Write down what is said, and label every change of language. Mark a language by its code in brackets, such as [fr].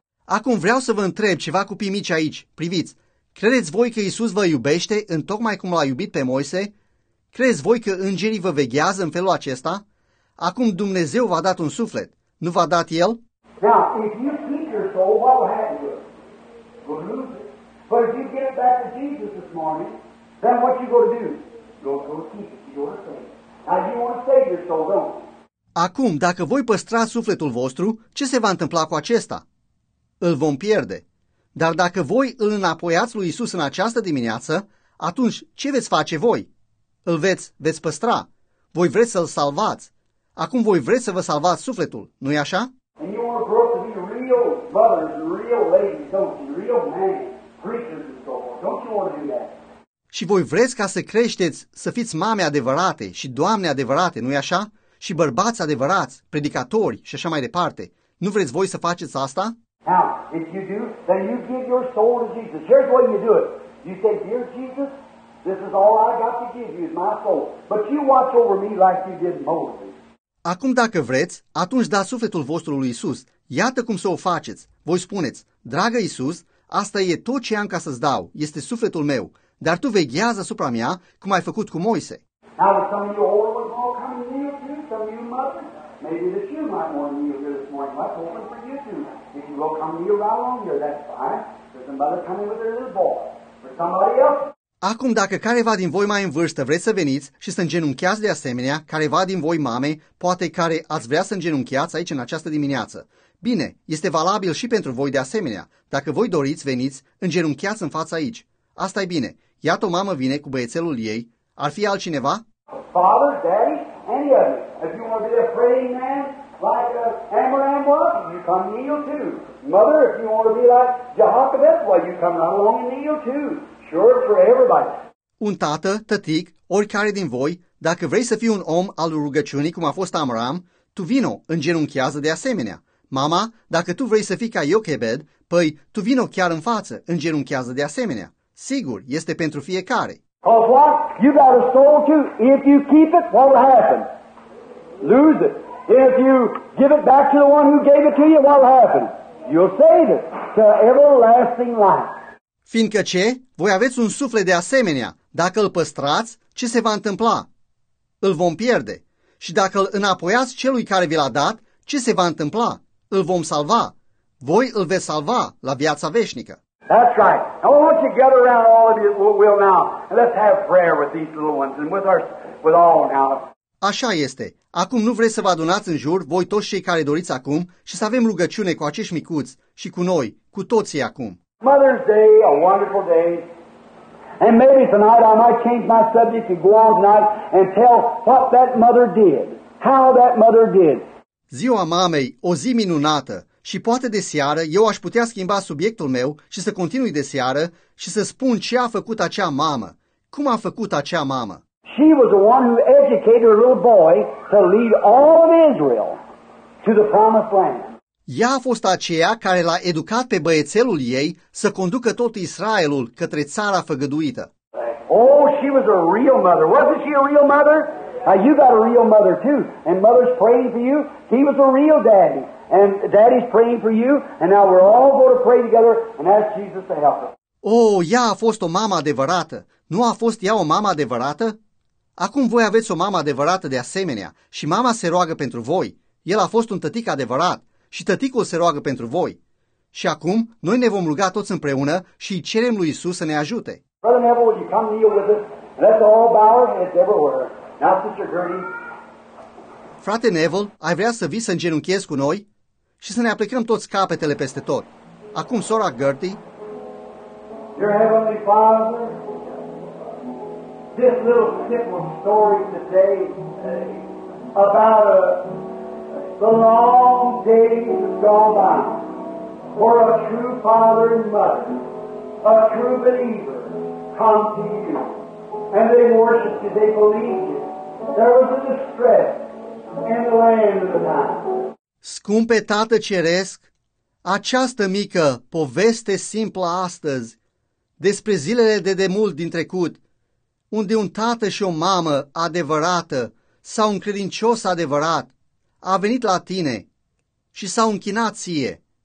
[ro] Acum vreau să vă întreb ceva, copii mici aici. Priviți, credeți voi că Iisus vă iubește în tocmai cum l-a iubit pe Moise? Credeți voi că îngerii vă veghează în felul acesta? Acum Dumnezeu v-a dat un suflet, nu v-a dat El? [en] Now, if you keep your soul, what will happen to you? You'll lose it. But if you get back to Jesus this morning, then what you go to do? You'll go to keep it, you go to save it. Now, you want to save your soul, don't you? [ro] Acum, dacă voi păstra sufletul vostru, ce se va întâmpla cu acesta? Îl vom pierde. Dar dacă voi îl înapoiați lui Iisus în această dimineață, atunci ce veți face voi? Îl veți păstra. Voi vreți să-l salvați. Acum voi vreți să vă salvați sufletul, nu-i așa? [en] And you want to grow up to be real mothers and real ladies, don't you? Real men, preachers and so on. Don't you want to do that? [ro] Și voi vreți ca să creșteți, să fiți mame adevărate și doamne adevărate, nu-i așa? Și bărbați adevărați, predicatori și așa mai departe. Nu vreți voi să faceți asta? [en] Now, if you do, then you give your soul to Jesus. Here's the way you do it. You say, dear Jesus, this is all I got to give you, is my soul. But you watch over me like you did Moses. [ro] Acum dacă vreți, atunci dați sufletul vostru lui Iisus. Iată cum să o faceți. Voi spuneți, dragă Iisus, asta e tot ce am ca să-ți dau. Este sufletul meu. Dar tu veghează asupra mea, cum ai făcut cu Moise. [en] Now, with some of you older ones all coming to kneel too, some of you mothers, maybe that you might want to kneel here this morning. That's open for you too. If you will come kneel right along here, that's fine. There's a mother coming with her little boy. For somebody else. [ro] Acum, dacă careva din voi mai în vârstă vreți să veniți și să îngenunchiați de asemenea, careva din voi mame, poate care ați vrea să îngenunchiați aici în această dimineață. Bine, este valabil și pentru voi de asemenea. Dacă voi doriți, veniți, îngenunchiați în fața aici. Asta e bine. Iată o mamă vine cu băiețelul ei. Ar fi altcineva? [en] Father, daddy, any of you. If you want to be a praying man like Amram was, you come kneel too. Mother, if you want to be like Jehoshaphat, well, you come right along and kneel too. Sure for everybody. [ro] Un tată, tătic, oricare din voi, dacă vrei să fii un om al rugăciunii cum a fost Amram, tu vino, îngenunchează de asemenea. Mama, dacă tu vrei să fii ca Iochebed, păi tu vino chiar în față, îngenunchează de asemenea. Sigur, este pentru fiecare. [en] Cause what? You got a soul too. If you keep it, what will happen? Lose it. If you give it back to the one who gave it to you, what will happen? You'll save it to everlasting life. [ro] Fiindcă ce? Voi aveți un suflet de asemenea. Dacă îl păstrați, ce se va întâmpla? Îl vom pierde. Și dacă îl înapoiați celui care vi l-a dat, ce se va întâmpla? Îl vom salva. Voi îl veți salva la viața veșnică. [en] That's right. Now, why don't you get around all of you will now, and let's have prayer with these little ones and with our, with all now. [ro] Așa este. Acum nu vreți să vă adunați în jur, voi toți cei care doriți acum, și să avem rugăciune cu acești micuți și cu noi, cu toții acum. [en] Mother's Day, a wonderful day. And maybe tonight I might change my subject and go on tonight and tell what that mother did, how that mother did. [ro] Ziua mamei, o zi minunată. Și poate de seară eu aș putea schimba subiectul meu și să continui de seară și să spun ce a făcut acea mamă. Cum a făcut acea mamă? [en] She was the one who educated her little boy to lead all of Israel to the promised land. [ro] Ea a fost aceea care l-a educat pe băiețelul ei să conducă tot Israelul către țara făgăduită. [en] Oh, she was a real mother. Wasn't she a real mother? Now you got a real mother too. And mother's praying for you. He was a real daddy. And daddy's praying for you. And now we're all going to pray together and ask Jesus to help us. [ro] Oh, ea a fost o mamă adevărată. Nu a fost ea o mamă adevărată? Acum voi aveți o mamă adevărată de asemenea și mama se roagă pentru voi. El a fost un tătic adevărat și tăticul se roagă pentru voi. Și acum noi ne vom ruga toți împreună și îi cerem lui Iisus să ne ajute. [en] Brother Neville, would you come kneel with us? Let's all bow our heads everywhere. Now, Sister Gertie. [ro] Frate Neville, ai vrea să vii să îngenunchiezi cu noi și să ne aplicăm toți capetele peste tot. Acum, sora Gertie. [en] Your Heavenly Father, this little simple story today about the long days gone by for a true father and mother, a true believer, come to you. And they worshiped you, they believed you. There was a distress in the land of the night. [ro] Scumpe Tată Ceresc, această mică poveste simplă astăzi despre zilele de demult din trecut, unde un tată și o mamă adevărată sau un credincios adevărat a venit la tine și s-au închinat ție.